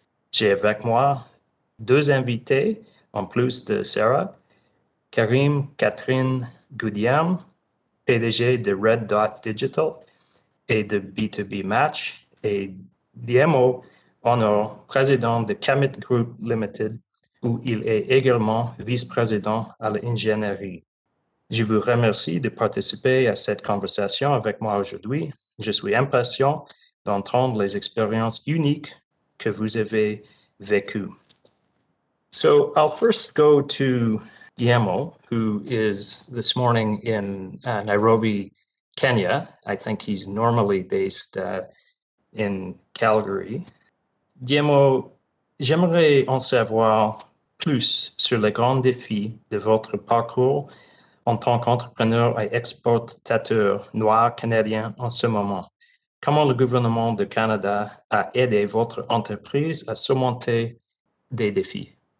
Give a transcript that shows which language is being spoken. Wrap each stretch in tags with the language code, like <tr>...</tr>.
<fr>J'ai avec moi deux invités, en plus de Sarah, Karim Catherine Goudiam, PDG de Red Dot Digital et de B2B Match, et Diemo Honor, président de Camit Group Limited, où il est également vice-président à l'ingénierie. Je vous remercie de participer à cette conversation avec moi aujourd'hui. Je suis impatient d'entendre les expériences uniques que vous avez vécues.</fr> <en>So I'll first go to Diemo, who is this morning in Nairobi, Kenya. I think he's normally based in Calgary.</en> <fr>Diemo, j'aimerais en savoir plus sur les grands défis de votre parcours en tant qu'entrepreneur et exportateur noir canadien en ce moment. Comment le gouvernement du Canada a aidé votre entreprise à surmonter des défis?</fr>